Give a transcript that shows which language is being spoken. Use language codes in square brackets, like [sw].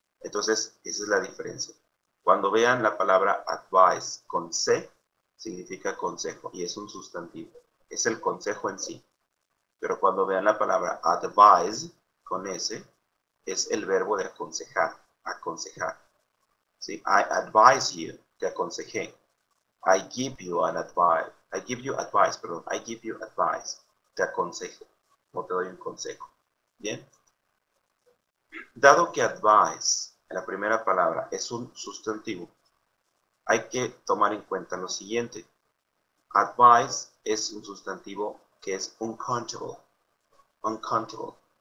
[es] Entonces, esa es la diferencia. Cuando vean la palabra advise con C, significa consejo y es un sustantivo. Es el consejo en sí. Pero cuando vean la palabra advise con S, es el verbo de aconsejar, aconsejar. [en] ¿Sí? I advise you, [es] te aconsejé. [en] I give you advice, perdón, I give you advice. [es] te aconsejo o te doy un consejo. Bien. Dado que advice, la primera palabra, es un sustantivo, hay que tomar en cuenta lo siguiente. Advice es un sustantivo que es uncountable. Uncountable.